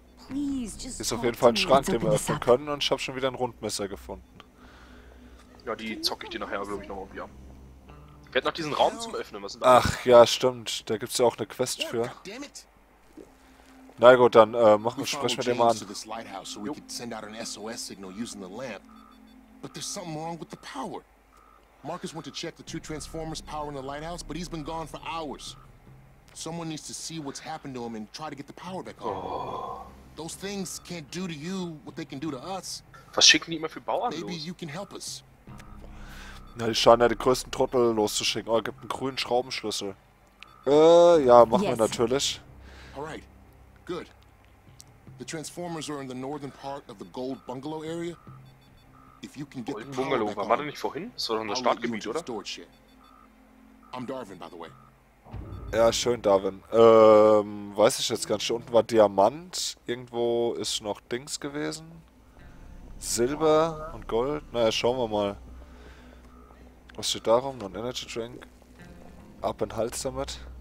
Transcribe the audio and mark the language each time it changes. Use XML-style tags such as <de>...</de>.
<de>Hier ist auf jeden Fall ein Schrank, den wir öffnen können, und ich habe schon wieder ein Rundmesser gefunden. Ja, die zocke ich dir nachher, glaube ich, noch irgendwie ab. Fährt noch diesen Raum zum Öffnen, was ist da? Ach ja, stimmt. Da gibt es ja auch eine Quest für. Na gut, dann sprechen wir den mal an.</de> <en>Das Lighthouse, so we could send out an SOS-Signal using the lamp. But there's something wrong with the power. Marcus went to check the two Transformers power in the lighthouse, but he's been gone for hours. Someone needs to see what's happened to him and try to get the power back home. Those things can't do to you what they can do to us.</en> <de>Was schicken die immer für Bauern los?</de> <en>Maybe you can help us.</en> <de>Na, die scheinen ja die größten Trottel loszuschicken. Oh, gibt einen grünen Schraubenschlüssel. Ja, machen wir natürlich.</de> <en>Alright, good. The Transformers are in the northern part of the Gold Bungalow area.</en> <de>Gold Bungalow, war man da nicht vorhin? Das war doch unser Startgebiet, oder?</de> <en>I'm Darwin, by the way.</en> <de>Ja, schön, Darwin. Weiß ich jetzt ganz schön. Unten war Diamant. Irgendwo ist noch Dings gewesen. Silber und Gold. Naja, schauen wir mal. Was steht da rum? Noch ein Energy Drink. Ab in Hals damit.</de>